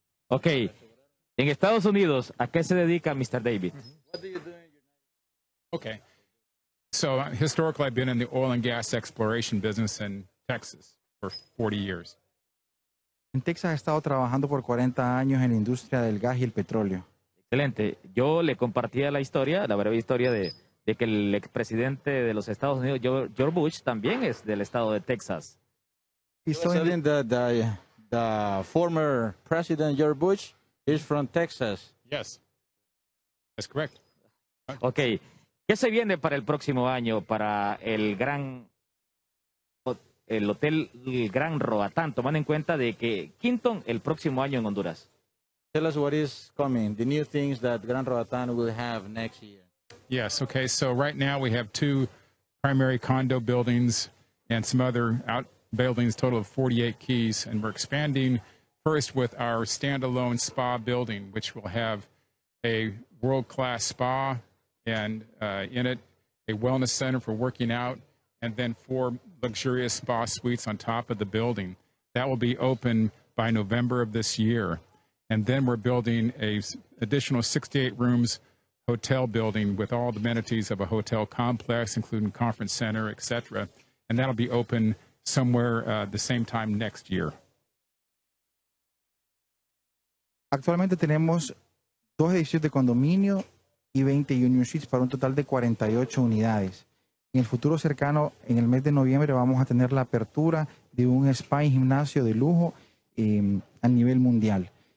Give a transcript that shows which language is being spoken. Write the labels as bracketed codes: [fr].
[es] Okay. In Estados Unidos, ¿a qué se dedica Mr. David? [en] What do you do in your Okay. So historically, I've been in the oil and gas exploration business in Texas for 40 years. [es] En Texas, he estado trabajando por 40 años en la industria del gas y el petróleo. Excelente. Yo le compartía la historia, la breve historia de que el expresidente de los Estados Unidos, George Bush, también es del estado de Texas. [en] Y the former president George Bush is from Texas. Yes. That's correct. Okay. [es] ¿Qué se viene para el próximo año para el hotel Gran Roatán, tomando en cuenta de que Quinton el próximo año en Honduras? [en] Tell us what is coming, the new things that Gran Roatán will have next year. Yes, okay, so right now we have two primary condo buildings and some other out buildings, total of 48 keys, and we're expanding first with our standalone spa building, which will have a world-class spa and in it a wellness center for working out, and then four luxurious spa suites on top of the building. That will be open by November of this year. And then we're building a additional 68 rooms hotel building with all the amenities of a hotel complex, including conference center, etc. And that'll be open somewhere the same time next year. [es] Actualmente tenemos dos edificios de condominio y 20 union suites para un total de 48 unidades. En el futuro cercano, en el mes de noviembre, vamos a tener la apertura de un spa y gimnasio de lujo a nivel mundial.